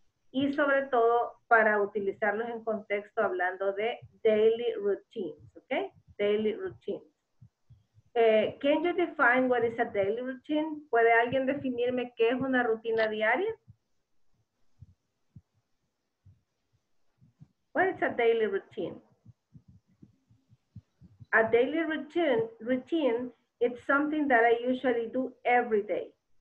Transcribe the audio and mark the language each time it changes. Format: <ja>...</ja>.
<es>Y sobre todo para utilizarlos en contexto hablando de daily routines.</es> <en>Ok, daily routines. Can you define what is a daily routine?</en> <es>¿Puede alguien definirme qué es una rutina diaria?</es> <en>What is a daily routine? A daily routine is something that I usually do every day.</en>